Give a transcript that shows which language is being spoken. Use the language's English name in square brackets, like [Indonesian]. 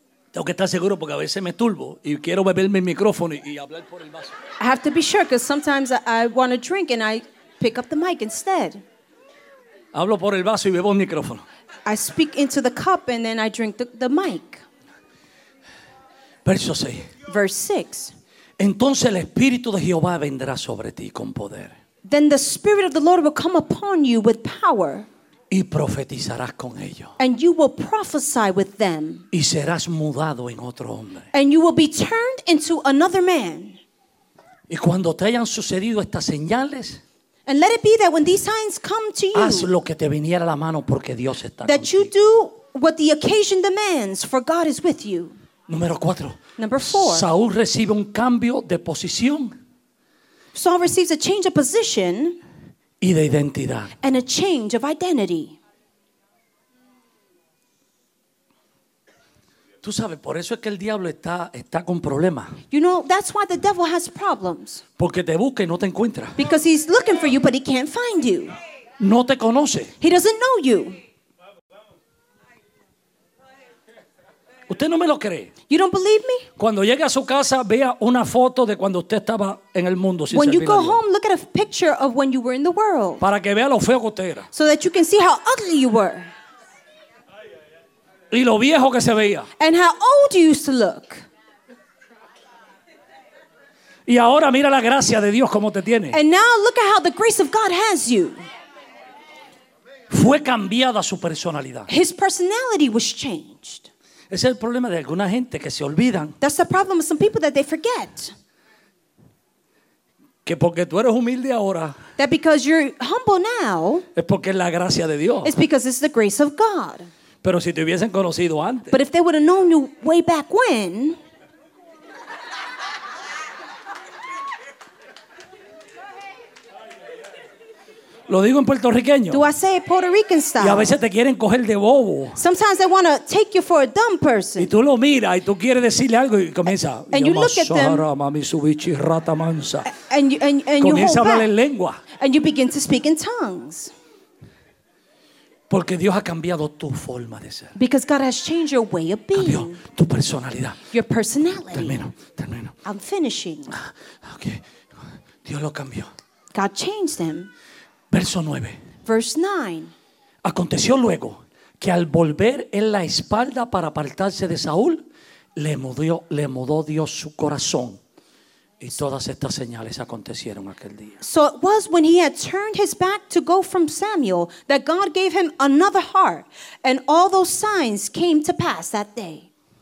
[Spanish] Tengo que estar seguro porque a veces me turbo y quiero beberme el micrófono y hablar por el vaso. [English] I have to be sure because sometimes I want to drink and I pick up the mic instead. [Spanish] Hablo por el vaso y bebo el micrófono. [English] I speak into the cup and then I drink the mic. Verse 6. [Spanish] Entonces el Espíritu de Jehová vendrá sobre ti con poder. [English] Then the Spirit of the Lord will come upon you with power. [Spanish] Y profetizarás con ellos. [English] And you will prophesy with them. [Spanish] Y serás mudado en otro hombre. [English] And you will be turned into another man. [Spanish] Y cuando te hayan sucedido estas señales, [English] and let it be that when these signs come to you, [Spanish] haz lo que te viniera a la mano porque Dios está contigo. [English] That you do what the occasion demands, for God is with you. Number four. [Spanish] Saúl recibe un cambio de posición. [English] Saul receives a change of position. [Spanish] Y de identidad. [English] And a change of identity. [Spanish] Tú sabes, por eso es que el diablo está con problemas. [English] You know, that's why the devil has problems. [Spanish] Porque te busca y no te encuentra. [English] Because he's looking for you, but he can't find you. [Spanish] No te conoce. [English] He doesn't know you. [Spanish] ¿Usted no me lo cree? [English] You don't believe me? [Spanish] Cuando llegue a su casa, vea una foto de cuando usted estaba en el mundo. [English] When you go home, look at a picture of when you were in the world. [Spanish] Para que vea lo feo que usted era. [English] So that you can see how ugly you were. [Spanish] Y lo viejo que se veía. [English] And how old you used to look. [Spanish] Y ahora mira la gracia de Dios cómo te tiene. [English] And now look at how the grace of God has you. [Spanish] Fue cambiada su personalidad. [English] His personality was changed. [Spanish] Ese es el problema de alguna gente que se olvidan. [English] That's the problem of some people that they forget. [Spanish] Que porque tú eres humilde ahora. [English] That because you're humble now. [Spanish] Es porque es la gracia de Dios. [English] It's because it's the grace of God. [Spanish] Pero si te hubiesen conocido antes. [English] But if they would have known you way back when. [Spanish] Lo digo en puertorriqueño. [English] Do I say Puerto Rican style? [Spanish] Y a veces te quieren coger de bobo. [English] Sometimes they want to take you for a dumb person. [Spanish] Y tú lo miras y tú quieres decirle algo y comienza. [English] And you look at them. [Spanish] Mami, subichi, rata mansa. [English] And you hold back. [Spanish] Comienza a hablar en lengua. [English] And you begin to speak in tongues. [Spanish] Porque Dios ha cambiado tu forma de ser. [English] Because God has changed your way of being. [Spanish] Cambió tu personalidad. [English] Your personality. [Spanish] Termino. [English] I'm finishing. [Spanish] Okay. Dios lo cambió. [English] God changed them. [Spanish] Verso 9. [English] Verse 9. [Spanish] Aconteció luego que al volver en la espalda para apartarse de Saúl, le mudó Dios su corazón. Y todas estas señales acontecieron aquel día. [English] So it was when he had turned his back to go from Samuel that God gave him another heart, and all those signs came to pass that day.